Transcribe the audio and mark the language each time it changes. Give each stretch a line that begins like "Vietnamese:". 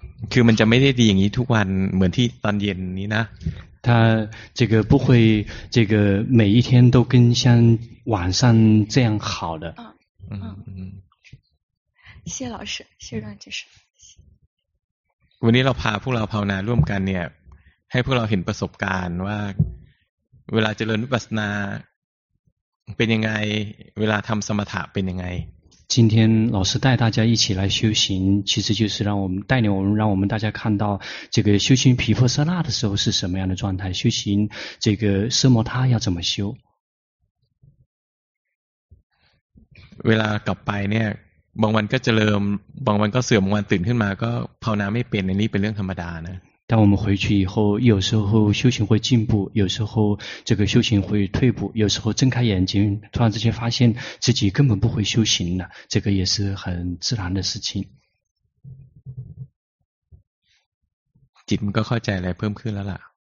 Thai: คือมันจะไม่ได้ดีอย่างนี้ทุกวันเหมือนที่ตอนเย็นนี้นะ
Chinese: 他这个不会这个每一天都跟像晚上这样好的。谢老师，谢老师，谢谢。
Thai: วันนี้เราพาพวกเราภาวนาร่วมกันเนี่ยให้พวกเราเห็นประสบการณ์ว่าเวลาเจริญวิปัสสนาเป็นยังไงเวลาทำสมถะเป็นยังไง
Chinese: 今天老师带大家一起来修行，其实就是让我们带领我们，让我们大家看到这个修行毗婆舍那的时候是什么样的状态，修行这个奢摩他要怎么修。
Thai: เวลากลับไปเนี่ยบางวันก็เจริญบางวันก็เสื่อมบางวันตื่นขึ้นมาก็ภาวนาไม่เป็นอันนี้เป็นเรื่องธรรมดานะ
Chinese: 当我们回去以后，有时候修行会进步，有时候这个修行会退步，有时候睁开眼睛，突然之间发现自己根本不会修行了，这个也是很自然的事情。
Thai: 心ก็เข้าใจอะไรเพิ่มขึ้นแล้วล่ะ。